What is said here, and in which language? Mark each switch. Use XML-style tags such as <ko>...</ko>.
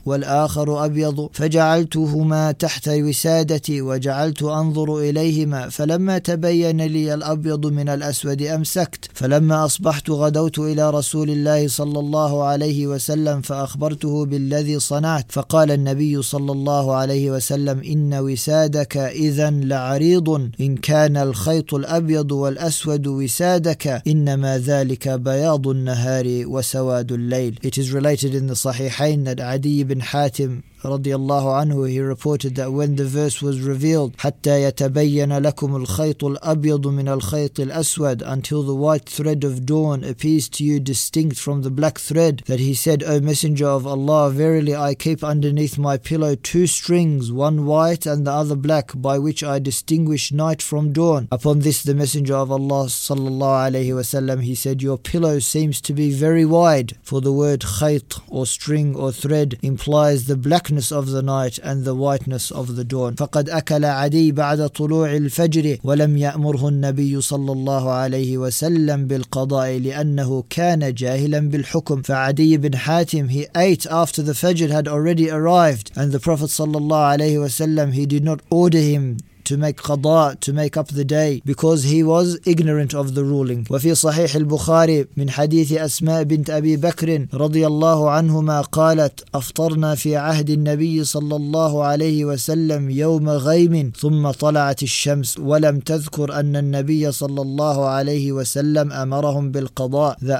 <ar>والآخر أبيض فجعلتهما تحت وسادتي وجعلت أنظر إليهما فلما تبين لي الأبيض من الأسود أمسكت فلما أصبحت غدوت إلى رسول الله صلى الله عليه وسلم فأخبرته بالذي صنعت فقال النبي صلى الله عليه وسلم إن وسادك إذن لعريض إن كان الخيط الأبيض والأسود وسادك إنما ذلك بياض النهار وسواد الليل.</ar> <en>It is related in the Sahihain that Adi ibn Hatim Hatim radiyallahu anhu, he reported that when the verse was revealed,</en> <ar>حَتَّى يَتَبَيَّنَ لَكُمُ الْخَيْطُ الْأَبْيَضُ مِنَ الْخَيْطِ الْأَسْوَدِ,</ar> <en>until the white thread of dawn appears to you distinct from the black thread, that he said, O Messenger of Allah, verily I keep underneath my pillow two strings, one white and the other black, by which I distinguish night from dawn. Upon this the Messenger of Allah sallallahu alayhi wa sallam, he said, your pillow seems to be very wide, for the word khayt or string or thread implies the blackness of the night and the whiteness of the dawn.</en> <ar>فَقَدْ أَكَلَ عَدِي بَعْدَ طُلُوعِ الْفَجْرِ وَلَمْ يَأْمُرْهُ النَّبِيُّ صَلَّى اللَّهُ عَلَيْهِ وَسَلَّمْ بِالْقَضَاءِ لِأَنَّهُ كَانَ جَاهِلًا بِالْحُكُمِ.</ar> <en>فَعَدِي بن حاتم, he ate after the fajr had already arrived, and the Prophet</en> <ar>صَلَّى اللَّهُ عَلَيْهِ وَسَلَّمْ,</ar> <en>he did not order him to make qada, to make up the day, because he was ignorant of the ruling.</en> <ar>وفي صحيح البخاري من حديث أسماء بنت أبي بكر رضي الله عنهما قالت أفطرنا في عهد النبي صلى الله عليه وسلم يوم غيم ثم طلعت الشمس ولم تذكر أن النبي صلى الله عليه وسلم أمرهم بالقضاء.</ar>